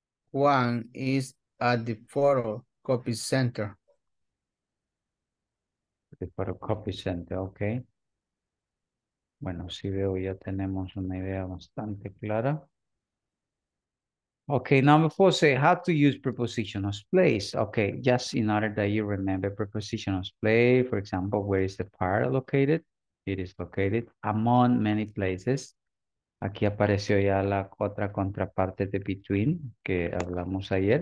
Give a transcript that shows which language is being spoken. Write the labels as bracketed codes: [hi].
[en] One is at the photocopy center. The photocopy center, okay. [es] Bueno, si veo, ya tenemos una idea bastante clara. [en] Okay, number four, say how to use prepositional place. Okay, just in order that you remember prepositional place, for example, where is the part located? It is located among many places. [es] Aquí apareció ya la otra contraparte de between que hablamos ayer.